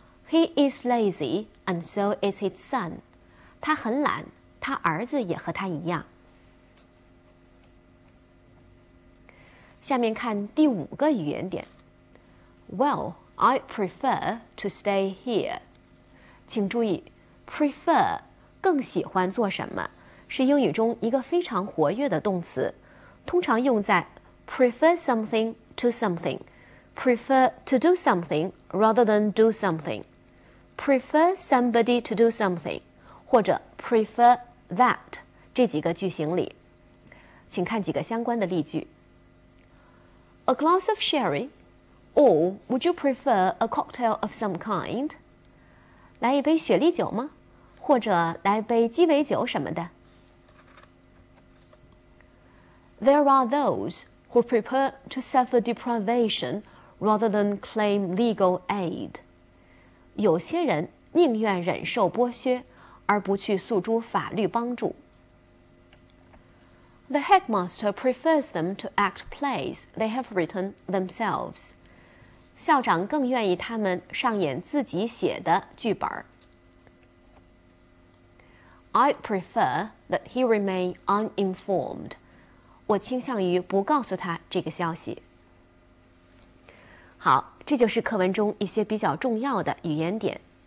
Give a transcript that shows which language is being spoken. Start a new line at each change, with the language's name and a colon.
English: He is lazy, and so is his son.
Chinese: 他很懒，他儿子也和他一样。下面看第五个语言点。
English: Well, I prefer to stay here.
Chinese: 请注意prefer 更喜欢做什么，是英语中一个非常活跃的动词，通常用在
English: prefer something to something, prefer to do something
Chinese: rather than do something,
English: prefer somebody to do something,
Chinese: 或者
English: prefer that
Chinese: 这几个句型里。请看几个相关的例句。
English: A glass of sherry, or would you prefer a cocktail of some kind?
Chinese: 来一杯雪莉酒吗？或者来杯鸡尾酒什么的。
English: There are those who prefer to suffer deprivation rather than claim legal aid.
Chinese: 有些人宁愿忍受剥削，而不去诉诸法律帮助。
English: The headmaster prefers them to act plays they have written themselves.
Chinese: 校长更愿意他们上演自己写的剧本。
English: I'd prefer that he remain uninformed.
Chinese: 我倾向于不告诉他这个消息。好，这就是课文中一些比较重要的语言点。